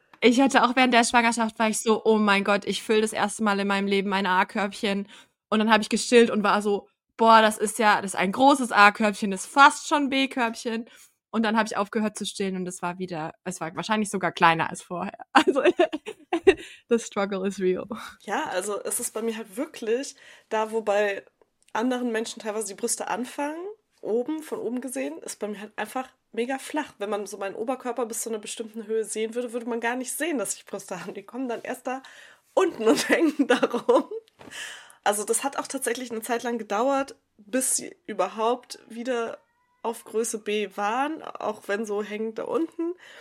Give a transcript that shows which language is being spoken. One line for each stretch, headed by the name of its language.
German: Ich hatte auch während der Schwangerschaft, war ich so, oh mein Gott, ich fülle das erste Mal in meinem Leben ein A-Körbchen. Und dann habe ich gestillt und war so, boah, das ist ein großes A-Körbchen, ist fast schon B-Körbchen. Und dann habe ich aufgehört zu stillen und es war wahrscheinlich sogar kleiner als vorher. Also,
English: the struggle is real.
German: Ja, also es ist bei mir halt wirklich da, wo bei anderen Menschen teilweise die Brüste anfangen, oben, von oben gesehen, ist bei mir halt einfach mega flach. Wenn man so meinen Oberkörper bis zu einer bestimmten Höhe sehen würde, würde man gar nicht sehen, dass ich Brüste habe. Die kommen dann erst da unten und hängen da rum. Also das hat auch tatsächlich eine Zeit lang gedauert, bis sie überhaupt wieder auf Größe B waren, auch wenn so hängend da unten.